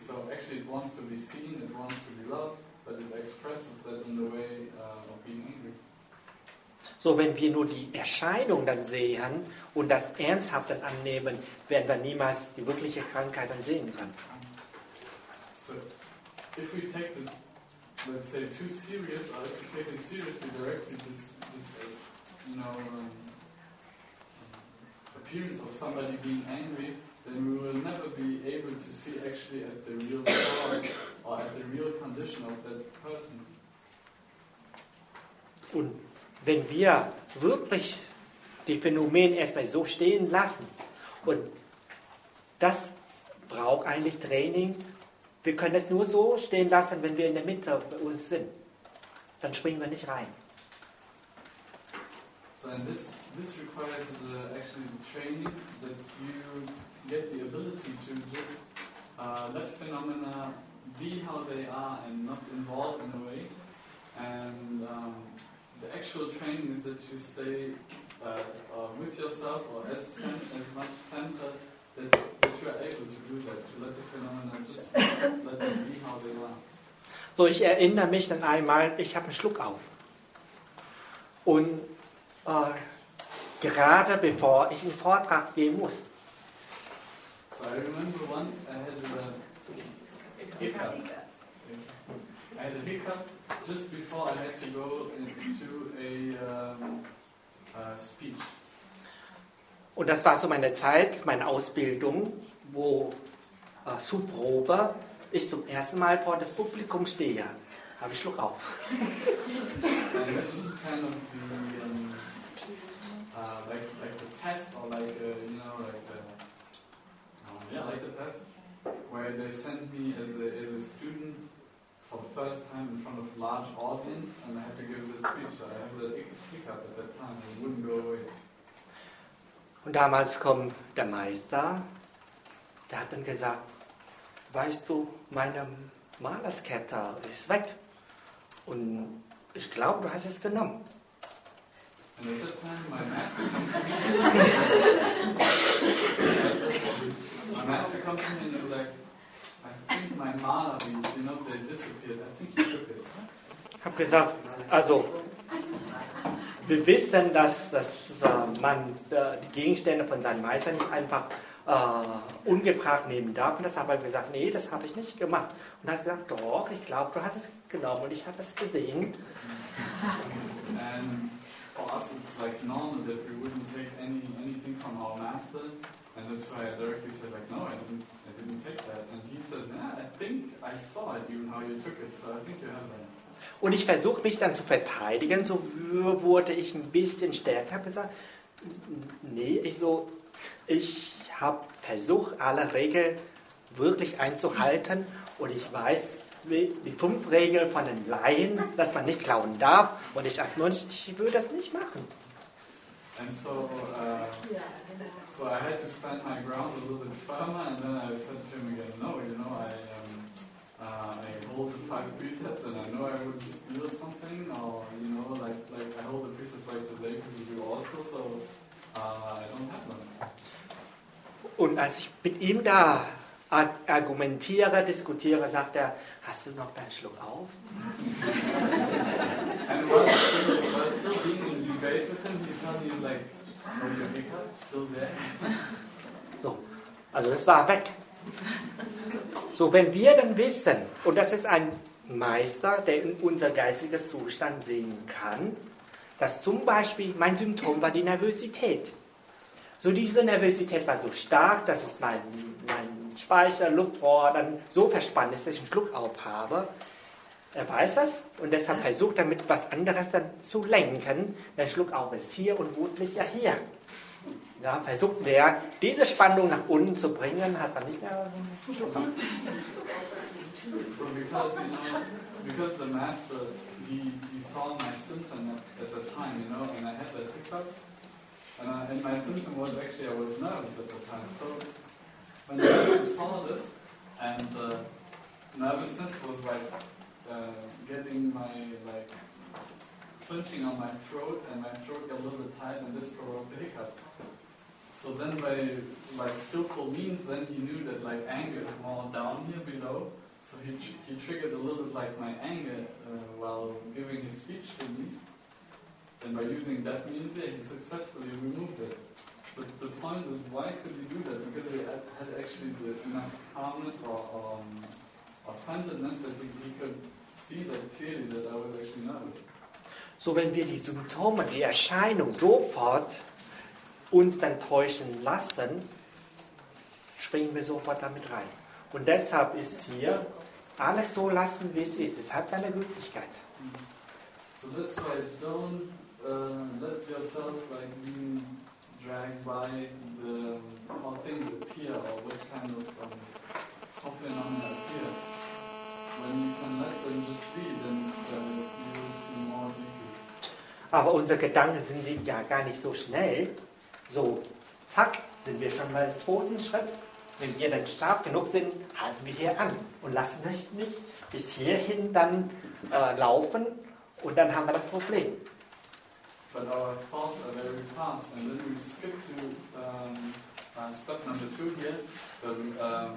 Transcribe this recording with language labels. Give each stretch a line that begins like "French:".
English: So actually it wants to be seen, it wants to be loved, but it expresses that in the way of being angry.
German: So wenn wir nur die Erscheinung dann sehen und das ernsthaft dann annehmen, werden wir niemals die wirkliche Krankheit dann sehen können.
English: So, if we take the, let's say, too serious, or if we take it seriously directly, this you know, appearance of somebody being angry, then we will never be able to see actually at the real cause or at the real condition of that person.
German: Und wenn wir wirklich die Phänomene erstmal so stehen lassen, und das braucht eigentlich Training, wir können es nur so stehen lassen, wenn wir in der Mitte bei uns sind, dann springen wir nicht rein.
English: So, and this requires the, actually the training, that you get the ability to just let phenomena be how they are and not involved in a way. And the actual training is that you stay with yourself or as much center that you are able to do that, to let the phenomena just let them be how they are.
German: So, ich erinnere mich dann einmal, ich habe einen Schluck auf. Und gerade bevor ich einen Vortrag geben muss.
English: So I remember once I had a hiccup. I had a hiccup just before I had to go into a speech.
German: Und das war so meine Zeit, meine Ausbildung, wo Subprobe, ich zum ersten Mal vor das Publikum stehe. Habe ich Schluck auf.
English: And this was kind of the, like the test, or like the test, where they sent me as a student for the first time in front of a large audience, and I had to give the speech. So I had a hiccup at that time, and it wouldn't go away.
German: Und damals kommt der Meister, der hat dann gesagt, weißt du, meine Malerskette ist weg. Und ich glaube, du hast es genommen.
English: And at that time, my master comes to me. My master comes to me and he's like, I think my Maler means, you know, they disappeared. I think you took it.
German: Hab gesagt, also, wir wissen, dass man die Gegenstände von seinem Meister nicht einfach ungefragt nehmen darf. Und das habe ich gesagt, nee, das habe ich nicht gemacht. Und dann hat er gesagt, doch, ich glaube, du hast es genommen und ich habe es gesehen.
English: And for us it's like normal that we wouldn't take anything from our master. And that's why I directly said, like, no, I didn't take that. And he says, yeah, I think I saw it, even how you took it. So I think you have that.
German: Und ich versuche mich dann zu verteidigen, so wurde ich ein bisschen stärker gesagt. Nee, ich habe versucht, alle Regeln wirklich einzuhalten. Und ich weiß, die 5 Regeln von den Laien, dass man nicht klauen darf. Und ich als Mönch, ich würde das nicht machen.
English: And so I had to stand my ground a little bit firmer, and then I said to him again, no, you know, I hold the 5 precepts and I know I would steal something, or you know, like I hold the precepts like the lay people do also, so I don't have them.
German: Und als ich mit ihm da argumentiere, diskutiere, sagt er, hast du noch deinen Schluck auf?
English: And while still being in debate with him, he's telling you like, so your hiccup still there?
German: So, also es war weg. So, wenn wir dann wissen, und das ist ein Meister, der in unser geistiges Zustand sehen kann, dass zum Beispiel mein Symptom war die Nervosität. So, diese Nervosität war so stark, dass es mein Speicher, Luftrohr dann so verspannt ist, dass ich einen Schluck auf habe. Er weiß das und deshalb versucht damit was anderes dann zu lenken. Der Schluck auf ist hier und wurde nicht ja hier. Ja, versucht wer, diese Spannung nach unten zu bringen, hat man nicht mehr.
English: So, because, you know, because the master, he saw my symptom at the time, you know, and I had that hiccup, and my symptom was actually I was nervous at the time. So, when the master saw this, and the nervousness was like getting my, like, clenching on my throat, and my throat got a little bit tight, and this provoked the hiccup. So then by, like, skillful means, then he knew that, like, anger is more down here below. So he triggered a little bit, like, my anger while giving his speech to me. And by using that means, yeah, he successfully removed it. But the point is, why could he do that? Because he had actually the enough calmness or centeredness that he could see that clearly that I was actually nervous.
German: So wenn wir die Symptome, die Erscheinung sofort uns dann täuschen lassen, springen wir sofort damit rein. Und deshalb ist hier alles so lassen, wie es ist. Es hat seine Gültigkeit.
English: So that's why don't let yourself like being dragged by the how things appear or which kind of phenomena appear. When you can let them just be, then you will see more deeply.
German: Aber unsere Gedanken sind ja gar nicht so schnell. So, zack, sind wir schon beim zweiten Schritt. Wenn wir dann stark genug sind, halten wir hier an und lassen es nicht bis hierhin dann laufen und dann haben wir das Problem.
English: But our thoughts are very fast and then we skip to step number two here.